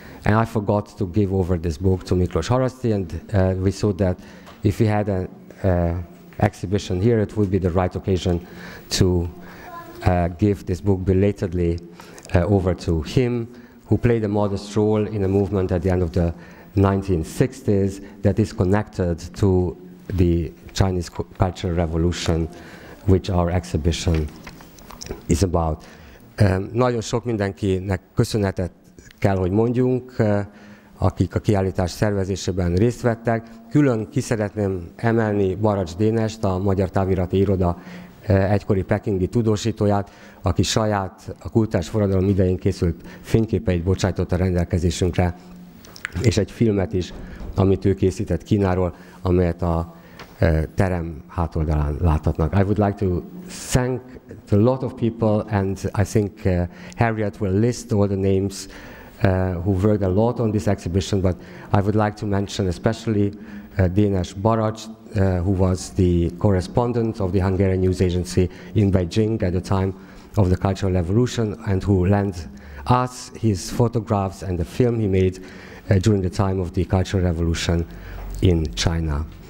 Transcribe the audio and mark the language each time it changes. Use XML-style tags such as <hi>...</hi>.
<en>And I forgot to give over this book to Miklós Haraszti, and we saw that if we had an exhibition here, it would be the right occasion to give this book belatedly over to him, who played a modest role in a movement at the end of the 1960s that is connected to the Chinese Cultural Revolution, which our exhibition is about.</en> <hu>Nagyon sok mindenkinek köszönetet kell, hogy mondjunk, akik a kiállítás szervezésében részt vettek. Külön ki szeretném emelni Baracs Dénest, a Magyar Távirati Iroda egykori pekingi tudósítóját, aki saját a kultúrás forradalom idején készült fényképeit bocsájtott a rendelkezésünkre, és egy filmet is, amit ő készített Kínáról, amelyet a terem hátoldalán láthatnak.</hu> <en>I would like to thank a lot of people, and I think Harriet will list all the names who worked a lot on this exhibition, but I would like to mention especially Dénes Baracs, who was the correspondent of the Hungarian News Agency in Beijing at the time of the Cultural Revolution, and who lent us his photographs and the film he made during the time of the Cultural Revolution in China.</en>